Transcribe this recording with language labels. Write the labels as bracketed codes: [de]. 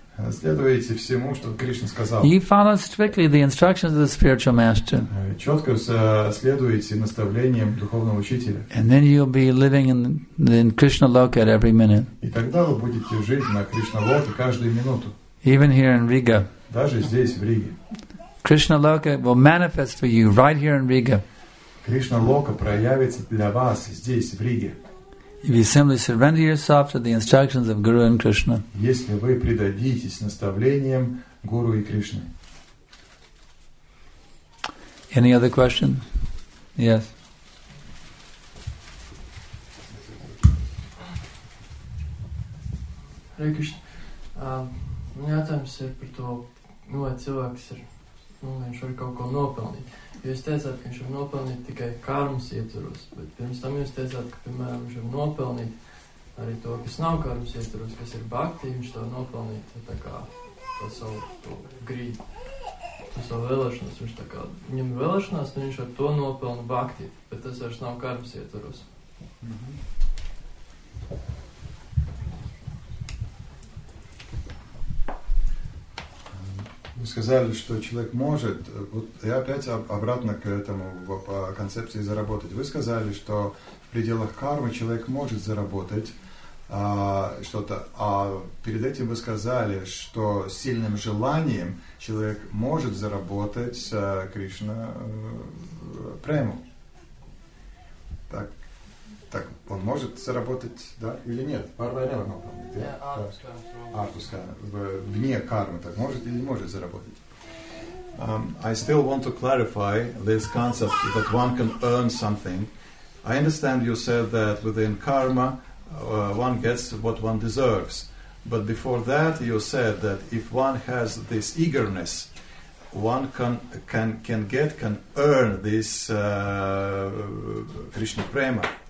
[ru] Следуйте всему, что Кришна сказал. [en] You follow strictly the instructions of the spiritual master. [ru] Четко следуйте наставлениям духовного учителя. [en] And then you'll be living in Krishna Loka at every minute. [ru] И тогда вы будете жить на Кришна Локе каждую минуту. [en] Even here in Riga. [ru] Даже здесь, в Риге. [en] Krishna Loka will manifest for you right here in Riga. [ru] Krishna Loka проявится для вас здесь, в Риге. [en] If you simply surrender yourself to the instructions of Guru and Krishna. [ru] Если вы предадитесь наставлениям Гуру и Кришны. [en] Any other question? Yes. Hare Krishna. [ru] У меня там все про то, ну, от человека все. [lv] Viņš var kaut ko nopelnīt. Jūs teicāt, ka viņš var nopelnīt tikai karmas ietvaros, bet pirms tam jūs teicāt, ka, piemēram, viņš var nopelnīt arī to, kas nav karmas ietvaros, kas ir bhakti, viņš to nopelnīt tā kā to savu grību, to savu vēlēšanos. Viņš tā kā ņem vēlēšanās, un viņš var to nopelnīt bhakti, bet tas vairs nav karmas ietvaros. [ru] Сказали, что человек может, вот я опять обратно к этому по концепции заработать. Вы сказали, что в пределах кармы человек может заработать что-то, а перед этим вы сказали, что сильным желанием человек может заработать Кришна прему. Так он может заработать, да, или нет? Вне кармы так может или не может заработать. [en] I still want to clarify this concept that one can earn something. I understand you said that within karma one gets what one deserves. But before that you said that if one has this eagerness, one can earn this Krishna prema.